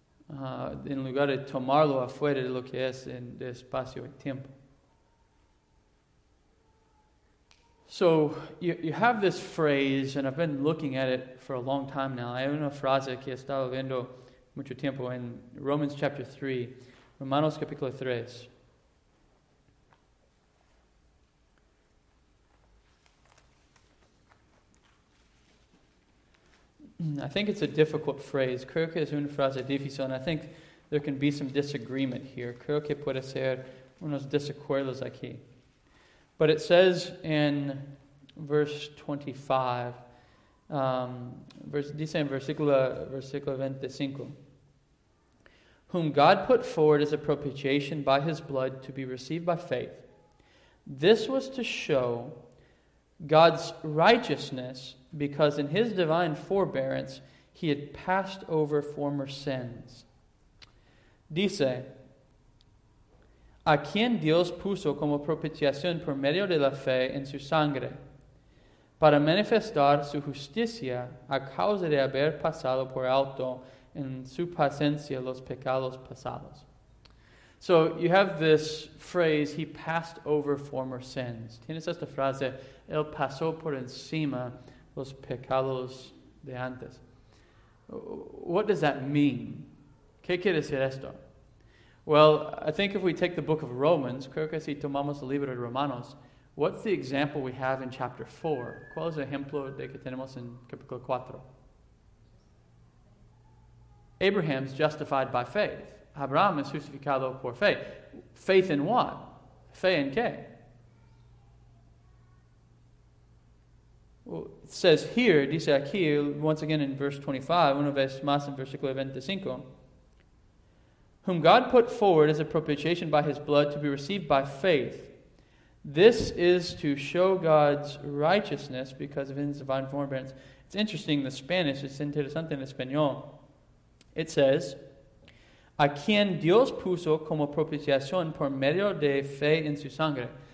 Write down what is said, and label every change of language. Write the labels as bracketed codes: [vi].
[es] En lugar de tomarlo afuera de lo que es en espacio y tiempo. [en] So, you have this phrase, and I've been looking at it for a long time now. [es] Hay una frase que he estado viendo mucho tiempo en Romans chapter 3, Romanos capítulo 3. [en] I think it's a difficult phrase. [es] Creo que es una frase difícil, [en] and I think there can be some disagreement here. [es] Creo que puede ser unos desacuerdos aquí. [en] But it says in verse 25, [es] dice en versículo 25, [en] whom God put forward as a propitiation by his blood to be received by faith. This was to show God's righteousness, because in his divine forbearance he had passed over former sins. [es] Dice, a quien Dios puso como propiciación por medio de la fe en su sangre, para manifestar su justicia a causa de haber pasado por alto en su paciencia los pecados pasados. [en] So you have this phrase, he passed over former sins. [es] Tienes esta frase, él pasó por encima los pecados de antes. [en] What does that mean? [es] ¿Qué quiere decir esto? [en] Well, I think if we take the book of Romans, [es] creo que si tomamos el libro de Romanos, [en] what's the example we have in chapter 4? [es] ¿Cuál es el ejemplo de que tenemos en capítulo 4? [en] Abraham's justified by faith. [es] Abraham es justificado por fe. [en] Faith in what? [es] Fe en qué? [en] Well, it says here, [es] dice aquí, [en] once again in verse 25, [es] una vez más en versículo 25, [en] whom God put forward as a propitiation by his blood to be received by faith. This is to show God's righteousness because of his divine forbearance. It's interesting, the Spanish, it's [es] interesante en español. It says, a quien Dios puso como propiciación por medio de fe en su sangre.